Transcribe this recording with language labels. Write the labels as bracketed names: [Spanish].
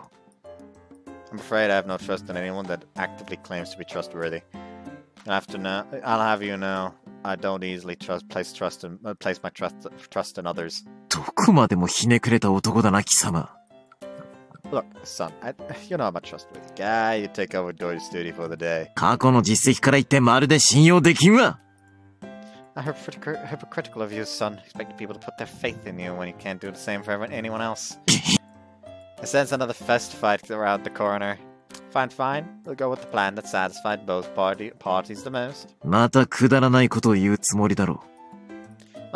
[English] I'm afraid I have no trust in anyone that actively claims to be trustworthy. I'll have you know, I don't easily place my trust in others. [Japanese] どこまでもひねくれた男だな、貴様。 [English] Look, son, you're not my trustworthy guy. You take over Doi's duty for the day. [Japanese] 過去の実績から言ってまるで信用できんわ! [English] I'm hypocritical of you, son. Expecting people to put their faith in you when you can't do the same for anyone else. I sense another fist fight around the corner. Fine, fine. We'll go with the plan that satisfied both parties the most. [Japanese] またくだらないことを言うつもりだろう。